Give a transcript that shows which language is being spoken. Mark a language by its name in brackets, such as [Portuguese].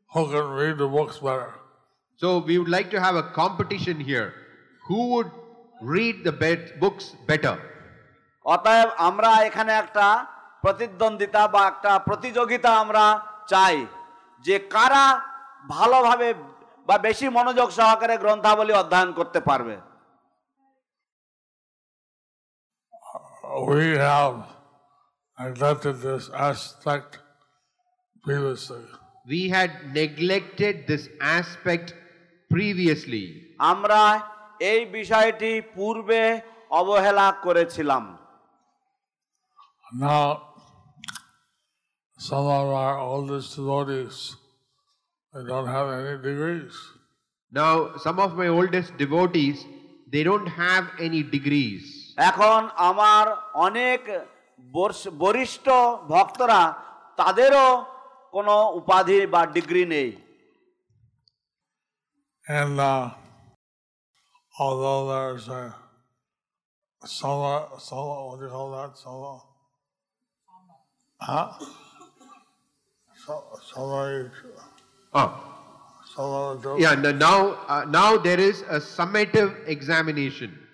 [English] So we would like to have a competition here. Who would read the books better? [Bangla] অতএব আমরা এখানে একটা প্রতিদ্বন্দ্বিতা বা একটা প্রতিযোগিতা আমরা চাই যে কারা ভালোভাবে বা বেশি মনোযোগ সহকারে গ্রন্থাবলী অধ্যয়ন করতে পারবে। [English] We have neglected this aspect previously. We had neglected this aspect previously. [Bangla] Amra ei bishoyti purbe obohela korechhilam. [English] Now, some of our oldest devotees, they don't have any degrees. Now, some of my oldest devotees, they don't have any degrees. [Bangla] এখন আমার অনেক বরিষ্ঠ ভক্তরা তাদেরও কোন উপাধি বা degree নেই। [English] And although there's a sala, what do you call that? Sala? Huh? Sala is... Now there is a summative examination.